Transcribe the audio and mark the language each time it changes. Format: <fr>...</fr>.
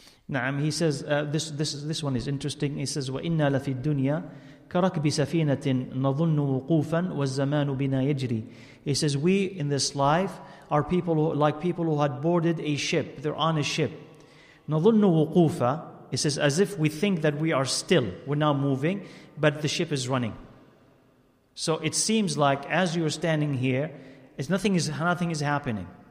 <en>Naam, he says, this one is interesting. He says,</en> <ar>وَإِنَّا لَفِي الدُّنْيَا كَرَكْبِ سَفِينَةٍ نَظُنُّ وُقُوفًا وَالزَّمَانُ بِنَا يَجْرِي.</ar> <en>He says, we in this life are people who, like people who had boarded a ship. They're on a ship.</en> <ar>نَظُنُّ وُقُوفًا.</ar> <en>He says, as if we think that we are still, we're now moving, but the ship is running. So it seems like as you're standing here, it's nothing is happening.</en>